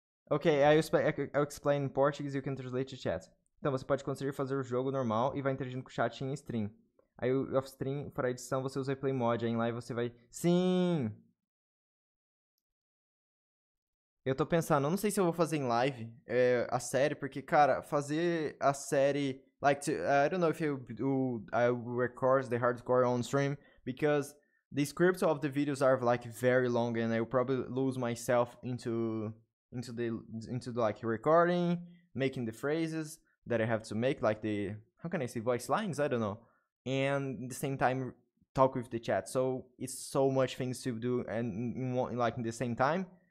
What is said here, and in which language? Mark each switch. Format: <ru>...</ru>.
<en>Okay, I'll explain in Portuguese. You can translate to chat.</en> <pt>Então você pode conseguir fazer o jogo normal e vai interagindo com o chat em stream. Aí off stream para edição você usa o play mod. Aí em live você vai. Sim. Eu tô pensando, eu não sei se eu vou fazer em live a série,</pt> <en>porque, cara, fazer a série, like, I don't know if I'll record the hardcore on stream, because the script of the videos are, like, very long, and I'll probably lose myself into the, like, recording, making the phrases that I have to make, like, the, how can I say, voice lines, I don't know, and at the same time, talk with the chat, so it's so much things to do, and, in the same time.</en>